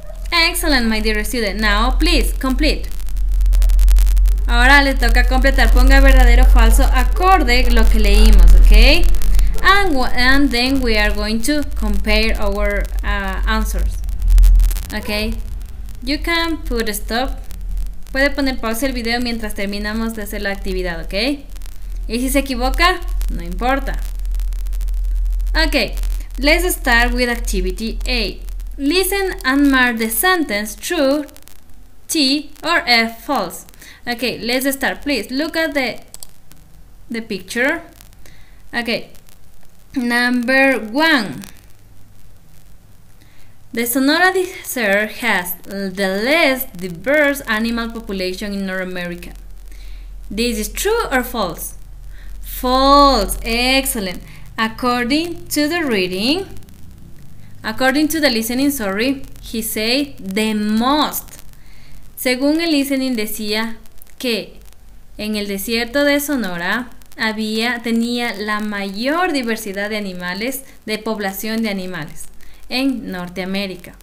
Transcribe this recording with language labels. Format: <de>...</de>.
<en>Excellent, my dear student. Now, please, complete.</en> <es>Ahora le toca completar. Ponga verdadero o falso acorde lo que leímos, okay?</es> <en>And then we are going to compare our answers. Okay? You can put a stop.</en> <es>Puede poner pausa el video mientras terminamos de hacer la actividad, okay? Y si se equivoca, no importa.</es> <en>Okay, let's start with activity A. Listen and mark the sentence true, T, or F, false. Okay, let's start. Please, look at the picture. Okay, number one. The Sonora Desert has the least diverse animal population in North America. This is true or false? False. Excellent. According to the listening, he said the most.</en> <es>Según el listening decía que en el desierto de Sonora tenía la mayor diversidad de animales, de población de animales en Norteamérica.</es>